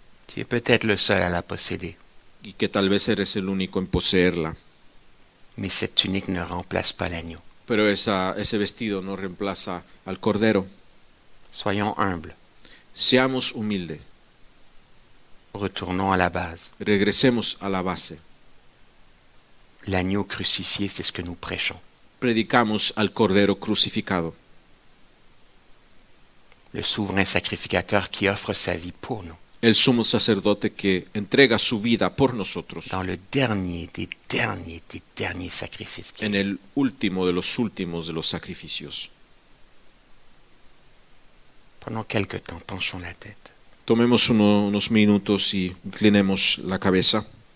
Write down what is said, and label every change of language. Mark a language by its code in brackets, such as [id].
[fr] Tu es peut-être le seul à la posséder. [es] Y que tal vez eres el único en poseerla. [fr] Mais cette tunique ne remplace pas l'agneau. [es] Pero ese vestido no reemplaza al cordero. [fr] Soyons humbles. [es] Seamos humildes. [fr] Retournons à la base. [es] Regresemos a la base. [fr] L'agneau crucifié, c'est ce que nous prêchons. [es] Predicamos al cordero crucificado. [fr] Le souverain sacrificateur qui offre sa vie pour nous. [es] El sumo sacerdote que entrega su vida por nosotros. [fr] Dans le dernier des derniers sacrifices. [es] En el último de los últimos de los sacrificios. [fr] Pendant quelques temps, penchons la tête. [es] Tomemos unos minutos y inclinemos la cabeza.